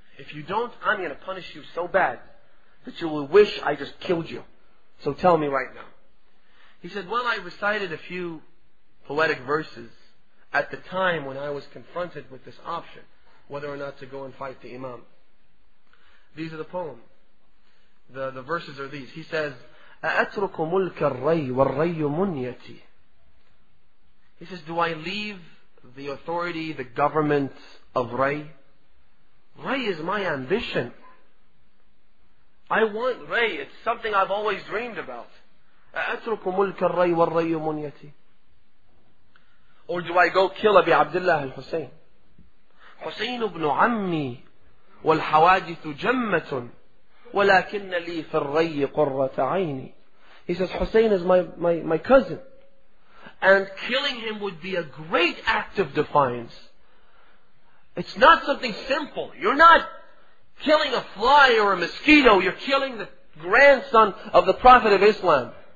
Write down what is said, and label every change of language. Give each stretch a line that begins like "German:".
English: If you don't, I'm going to punish you so bad that you will wish I just killed you. So tell me right now. He said, well, I recited a few poetic verses at the time when I was confronted with this option, whether or not to go and fight the imam. These are the poem. The verses are these. He says,
Arabic: أَأَتْرُكُ مُلْكَ الرَّيِّ وَالرَّيُّ مُنْيَتِي.
English: He says, do I leave the authority, the government of Ray? Ray is my ambition. I want Ray. It's something I've always dreamed about.
Arabic: أَأَتْرُكُ مُلْكَ الرَّيِّ وَالرَّيُّ مُنْيَتِي.
English: Or do I go kill Abi Abdullah al-Hussein?
Arabic: حسين ابن عمي والحوادث جمة ولكن لي في الري قرة عيني.
English: He says, Hussein is my cousin. And killing him would be a great act of defiance. It's not something simple. You're not killing a fly or a mosquito. You're killing the grandson of the Prophet of Islam.